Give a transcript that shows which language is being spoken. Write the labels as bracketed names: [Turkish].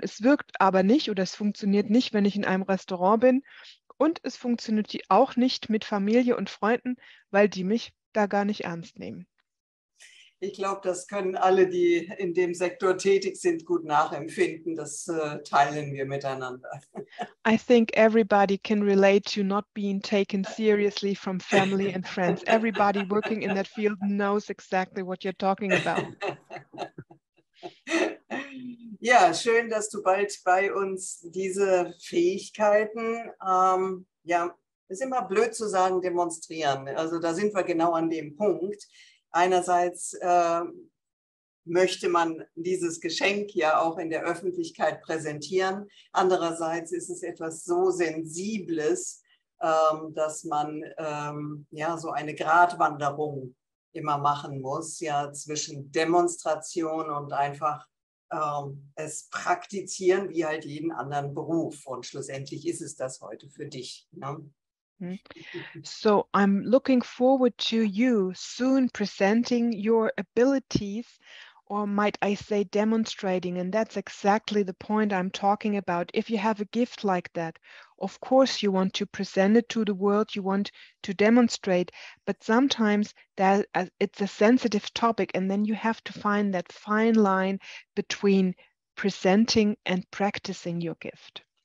[German] Es wirkt aber nicht oder es funktioniert nicht, wenn ich in einem Restaurant bin und es funktioniert auch nicht mit Familie und Freunden, weil die mich da gar nicht ernst nehmen. Ich glaube, das können alle, die in dem Sektor tätig sind, gut nachempfinden. Das teilen wir miteinander. [English] I think everybody can relate to not being taken seriously from family and friends. Everybody working in that field knows exactly what you're talking about. [German] Ja, schön, dass du bald bei uns diese Fähigkeiten, ja, ist immer blöd zu sagen, demonstrieren. Also da sind wir genau an dem Punkt. Einerseits möchte man dieses Geschenk ja auch in der Öffentlichkeit präsentieren. Andererseits ist es etwas so Sensibles, dass man ja, so eine Gratwanderung immer machen muss, ja, zwischen Demonstration und einfach es praktizieren wie halt jeden anderen Beruf. Und schlussendlich ist es das heute für dich. Ne? [English] So I'm looking forward to you soon presenting your abilities, or might I say demonstrating, and that's exactly the point I'm talking about. If you have a gift like that, of course you want to present it to the world, you want to demonstrate, but sometimes that it's a sensitive topic, and then you have to find that fine line between presenting and practicing your gift.